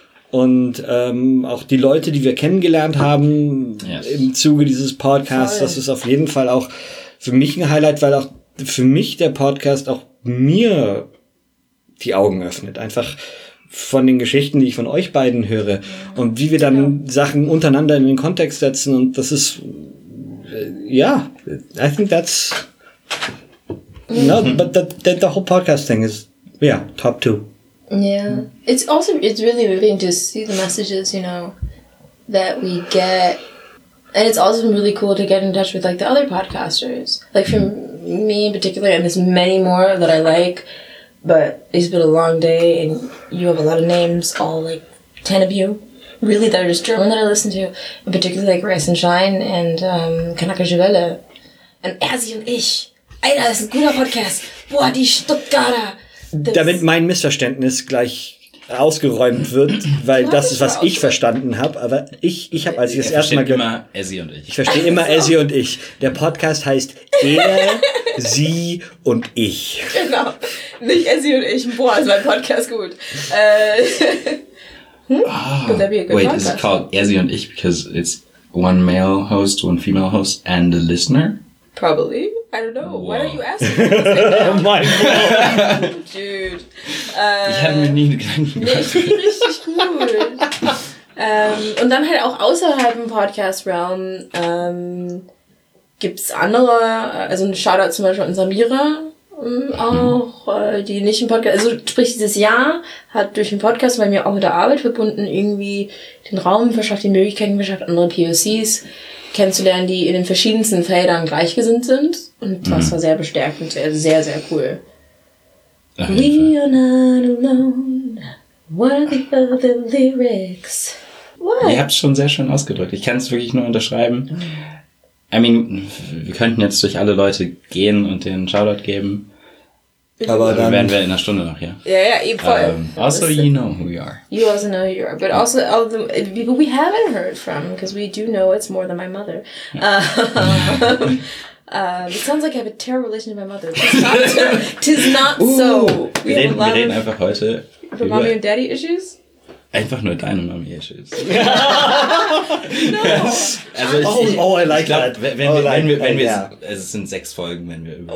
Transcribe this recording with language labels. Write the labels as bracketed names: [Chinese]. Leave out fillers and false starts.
[German] Und auch die Leute, die wir kennengelernt haben im Zuge dieses Podcasts, das ist auf jeden Fall auch für mich ein Highlight, weil auch für mich der Podcast auch mir die Augen öffnet. Einfach von den Geschichten, die ich von euch beiden höre und wie wir dann Sachen untereinander in den Kontext setzen. Und das ist, [English] I think that's... Mm-hmm. No, but the whole podcast thing is, top two. Yeah. Mm-hmm. It's also, it's really moving to see the messages, you know, that we get. And it's also been really cool to get in touch with, like, the other podcasters. Like, for me in particular, and there's many more that I like, but it's been a long day, and you have a lot of names, all, like, 10 of you, really, that are just German that I listen to, in particular, like, Rice and Shine and Kanaka Juwelle. And Erzi und ich. [German] Einer, das ist ein guter Podcast. Boah, die Stuttgarter. Damit mein Missverständnis gleich ausgeräumt wird, weil das ist, was ich verstanden habe, aber ich habe, als ich das erste Mal gehört... Immer Essie und ich. Ich verstehe immer Essie und ich. Der Podcast heißt Er, Sie und ich. Genau. Nicht Essie und ich. Boah, ist mein Podcast gut. [English] Is it called Essie und ich because it's one male host, one female host and a listener? Probably. I don't know. Whoa. Why are you asking me? Right. Dude. [German] Ich hätte mir nie einen Gedanken gemacht. Richtig gut. Und dann halt auch außerhalb im Podcast-Realm gibt es andere, also ein Shoutout zum Beispiel an Samira auch, die nicht im Podcast, also sprich dieses Jahr hat durch den Podcast bei mir auch mit der Arbeit verbunden irgendwie den Raum verschafft, die Möglichkeiten verschafft, andere POCs kennenzulernen, die in den verschiedensten Feldern gleichgesinnt sind. Und das war sehr bestärkend, sehr, sehr cool. [English] We are not alone. What are the lyrics? What? [German] Ihr habt es schon sehr schön ausgedrückt. Ich kann es wirklich nur unterschreiben. [English] I mean, [German] wir könnten jetzt durch alle Leute gehen und denen Shoutout geben. Aber dann wären wir in einer Stunde noch hier. Ja, ja, eben voll. [English] Also, you know who we are. You also know who you are. But also, all the people we haven't heard from, because we do know it's more than my mother. it sounds like I have a terrible relation with my mother. Tis not so. [German] Wir reden einfach heute über [English] Mommy and Daddy issues. [German] Einfach nur deine Mami-Issues. [English] No. Also I like that. [German] Es sind 6 Folgen, wenn wir über